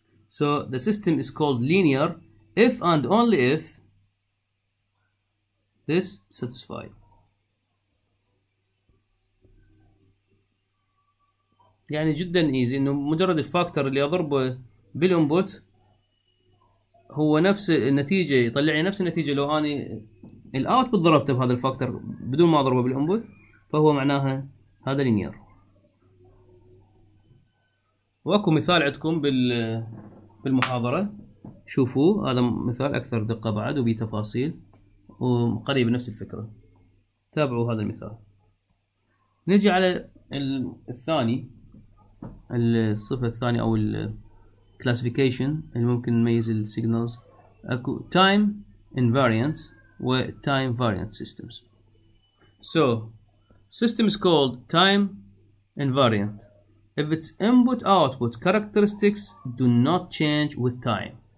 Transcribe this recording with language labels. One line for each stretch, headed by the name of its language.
English: So the system is called linear if and only if this satisfied.
Arabic: يعني جدا ايزي، انه مجرد الفاكتور اللي اضربه بالانبوت هو نفس النتيجه يطلع لي نفس النتيجه لو اني الاوتبوت ضربته بهذا الفاكتور بدون ما اضربه بالانبوت فهو معناها هذا لينير. واكو مثال عندكم بالمحاضره شوفوا هذا مثال اكثر دقه بعد وبتفاصيل وقريب نفس الفكره تابعوا هذا المثال. نجي على الثاني الصفة الثانية أو الـ classification اللي ممكن نميز الـ signals أكو time invariant و time variant systems.
English: So system is called time invariant if its input output characteristics do not change with time.